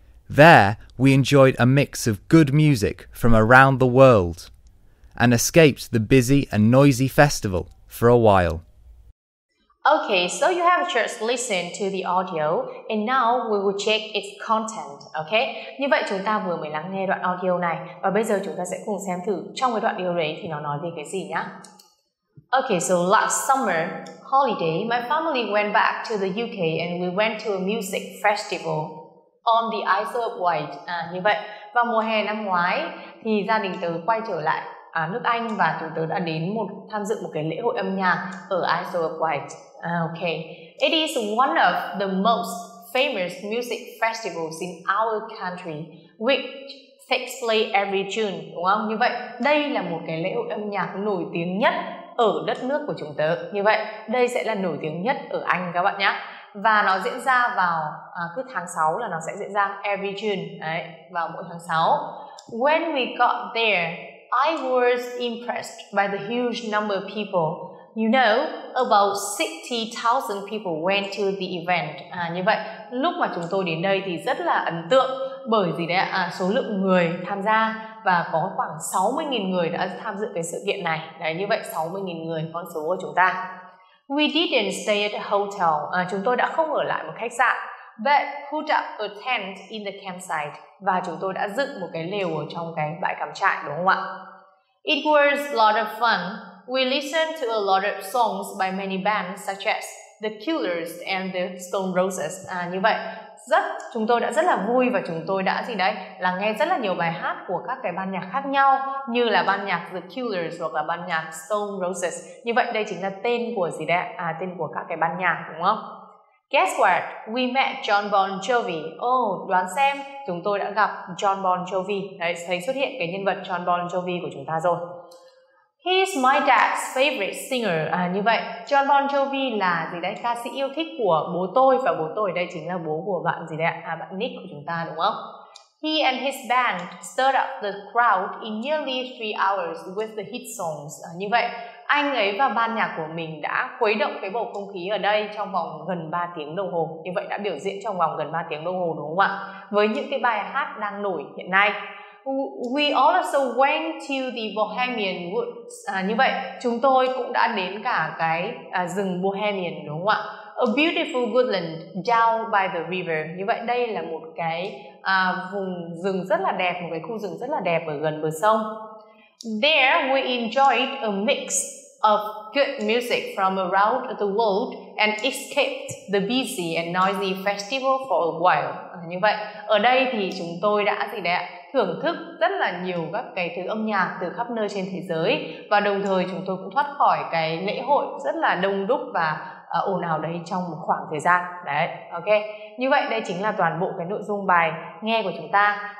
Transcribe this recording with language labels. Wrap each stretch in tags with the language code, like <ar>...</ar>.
<en>There, we enjoyed a mix of good music from around the world and escaped the busy and noisy festival for a while. Okay, so you have just listened to the audio and now we will check its content, okay?</en> <vi>Như vậy chúng ta vừa mới lắng nghe đoạn audio này và bây giờ chúng ta sẽ cùng xem thử trong cái đoạn audio đấy thì nó nói về cái gì nhá.</vi> <en>Okay, so last summer holiday, my family went back to the UK and we went to a music festival on the Isle of Wight.</en> <vi>À, như vậy, vào mùa hè năm ngoái thì gia đình tớ quay trở lại nước Anh và chúng tớ đã đến tham dự một cái lễ hội âm nhạc ở Isle of Wight.</vi> <en>Okay, it is one of the most famous music festivals in our country, which takes place every June.</en> <vi>Đúng không? Như vậy, đây là một cái lễ hội âm nhạc nổi tiếng nhất ở đất nước của chúng tớ. Như vậy, đây sẽ là nổi tiếng nhất ở Anh các bạn nhé. Và nó diễn ra vào cứ tháng 6 là nó sẽ diễn ra</vi> <en>every June.</en> <vi>Đấy, vào mỗi tháng 6.</vi> <en>When we got there, I was impressed by the huge number of people. You know, about 60,000 people went to the event.</en> <vi>À, như vậy, lúc mà chúng tôi đến đây thì rất là ấn tượng. Bởi gì đấy ạ? Số lượng người tham gia và có khoảng 60.000 người đã tham dự cái sự kiện này. Đấy, như vậy 60.000 người, con số của chúng ta.</vi> <en>We didn't stay at a hotel.</en> <vi>À, chúng tôi đã không ở lại một khách sạn.</vi> <en>But put up a tent in the campsite.</en> <vi>Và chúng tôi đã dựng một cái lều ở trong cái bãi cắm trại, đúng không ạ?</vi> <en>It was a lot of fun. We listened to a lot of songs by many bands such as The Killers and The Stone Roses.</en> <vi>À, như vậy, chúng tôi đã rất là vui và chúng tôi đã gì đấy? Là nghe rất là nhiều bài hát của các cái ban nhạc khác nhau như là ban nhạc The Killers hoặc là ban nhạc Stone Roses. Như vậy, đây chính là tên của gì đấy? À, tên của các cái ban nhạc, đúng không?</vi> <en>Guess what? We met John Bon Jovi.</en> <vi>Oh, đoán xem, chúng tôi đã gặp John Bon Jovi. Đấy, thấy xuất hiện cái nhân vật John Bon Jovi của chúng ta rồi.</vi> <en>He's my dad's favorite singer.</en> <vi>À, như vậy, John Bon Jovi là gì đấy? Ca sĩ yêu thích của bố tôi và bố tôi đây chính là bố của bạn gì đấy? À, bạn Nick của chúng ta đúng không?</vi> <en>He and his band stirred up the crowd in nearly 3 hours with the hit songs.</en> <vi>À, như vậy, anh ấy và ban nhạc của mình đã khuấy động cái bầu không khí ở đây trong vòng gần 3 tiếng đồng hồ. Như vậy đã biểu diễn trong vòng gần 3 tiếng đồng hồ đúng không ạ? Với những cái bài hát đang nổi hiện nay.</vi> <en>We also went to the Bohemian Woods.</en> <vi>À, như vậy, chúng tôi cũng đã đến cả cái rừng Bohemian đúng không ạ?</vi> <en>A beautiful woodland down by the river.</en> <vi>Như vậy, đây là một cái vùng rừng rất là đẹp, một cái khu rừng rất là đẹp ở gần bờ sông.</vi> <en>There we enjoyed a mix of good music from around the world and escaped the busy and noisy festival for a while.</en> <vi>À, như vậy, ở đây thì chúng tôi đã gì đấy ạ? Thưởng thức rất là nhiều các cái thứ âm nhạc từ khắp nơi trên thế giới và đồng thời chúng tôi cũng thoát khỏi cái lễ hội rất là đông đúc và ồn ào đấy trong một khoảng thời gian. Đấy, ok. Như vậy đây chính là toàn bộ cái nội dung bài nghe của chúng ta.</vi>